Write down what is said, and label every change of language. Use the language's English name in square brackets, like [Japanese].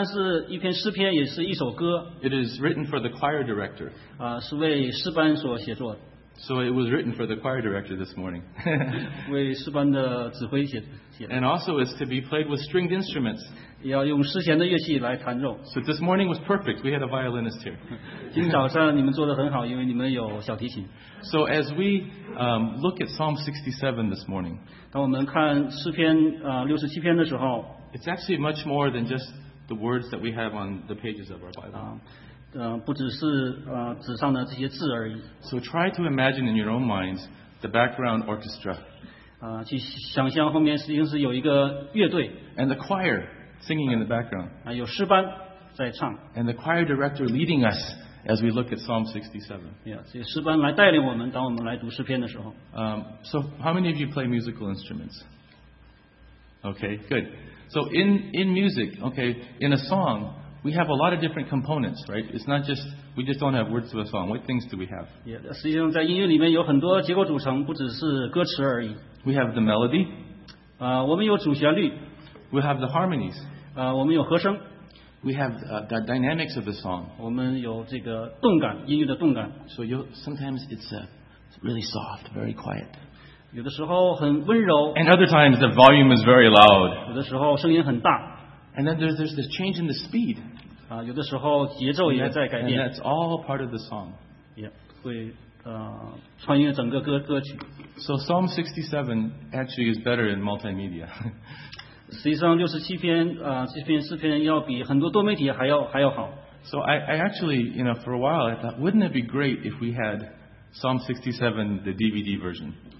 [Chinese] 67篇实际上不单是一篇诗篇，也是一首歌。 [English] It is written for the choir director. [Chinese] 是为诗班所写作的。 [English] So it was written for the choir director this morning. [Chinese] 为诗班的指挥写的。 [English] And also it's to be played with stringed instruments. [Chinese] 要用丝弦的乐器来弹奏。 [English] So this morning was perfect. We had a violinist here. [Chinese] 今早上你们做得很好, 因为你们有小提琴。 [English] So as we look at Psalm 67 this morning, [Chinese] 当我们看诗篇, 67篇的时候, [English] it's actually much more than just the words that we have on the pages of our Bible. [Chinese] 不只是纸上的这些字而已。 [English] So try to imagine in your own minds the background orchestra. [Chinese] 去想象后面实际上是有一个乐队。 [English] And the choir singing in the background. [Chinese] 有诗班在唱。 [English] And the choir director leading us as we look at Psalm 67. [Chinese] Yeah, 这些诗班来带领我们，当我们来读诗篇的时候。 [English] So how many of you play musical instruments? Okay, good. So in music, okay, in a song, we have a lot of different components, right? It's not just, we just don't have words to a song. What things do we have? [Chinese] Yeah, 实际上在音乐里面有很多结构组成，不只是歌词而已。 [English] We have the melody. [Chinese] 我们有主旋律。 [English] We have the harmonies. [Chinese] 我们有和声。 [English] We have the dynamics of the song. [Chinese] 我们有这个动感，音乐的动感。 [English] So sometimes it's really soft, very quiet. [Chinese] 有的时候很温柔。 [English] And other times the volume is very loud. [Chinese] 有的时候声音很大。 [English] And then there's this change in the speed. [Chinese] 有的时候节奏也在改变。 [English] And that's all part of the song. [Chinese] Yeah, 会穿越整个歌曲。 [English] So Psalm 67 actually is better in multimedia. [Chinese] 实际上67篇，这篇诗篇要比很多多媒体还要好。 [English] So I actually, you know, for a while I thought, wouldn't it be great if we had Psalm 67, the DVD version?